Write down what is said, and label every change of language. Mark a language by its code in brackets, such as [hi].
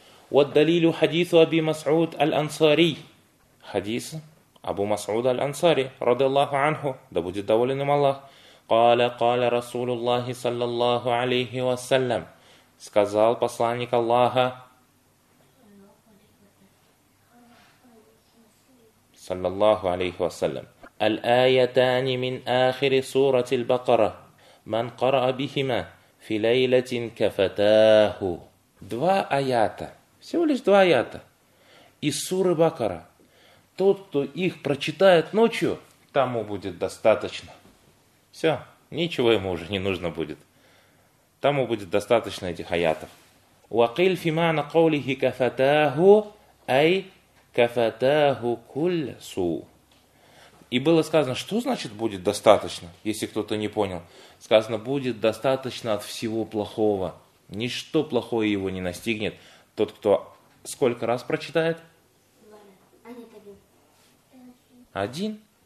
[ru] Вот далилю хадису Аби Мас'уд Аль-Ансари. Хадис Абу Мас'уд Аль-Ансари, ради Аллаху Анху, да будет доволен им Аллах. [ar] Каля, каля Расулу Аллахи, саллаллаху алейхи вассалям. [ru] Сказал посланник Аллаха, саллаллаху алейхи вассалям. [ar] الآيتان من آخر سورة البقرة من قرأ بهما في ليلة كفتاه. [ru] Два аята, всего лишь два аята из суры Бакара. Тот, кто их прочитает ночью, тому будет достаточно. Все, ничего ему уже не нужно будет. Тому будет достаточно этих аятов. [ar] وقيل في معنى قوله كفتاه أي كفتاه كل سوء. [ru] И было сказано, что значит будет достаточно, если кто-то не понял. Сказано, будет достаточно от всего плохого. Ничто плохое его не настигнет. Тот, кто сколько раз прочитает? Один.